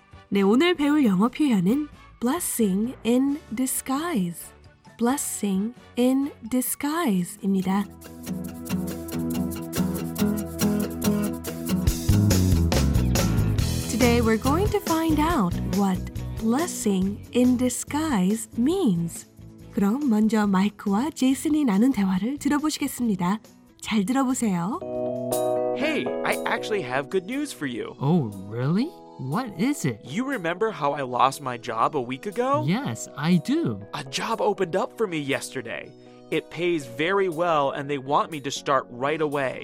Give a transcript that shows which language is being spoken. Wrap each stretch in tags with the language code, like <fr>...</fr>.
<ko>네, 오늘 배울 영어 표현은</ko> <en>blessing in disguise. blessing in disguise</en> <ko>입니다. 오늘</ko> <en>we're going to find out what blessing in disguise means.</en> <ko>그럼 먼저 마이크와 제이슨이 나눈 대화를 들어보시겠습니다. 잘 들어보세요.</ko> <en>Hey, I actually have good news for you. Oh, really? What is it? You remember how I lost my job a week ago? Yes, I do. A job opened up for me yesterday. It pays very well and they want me to start right away.</en>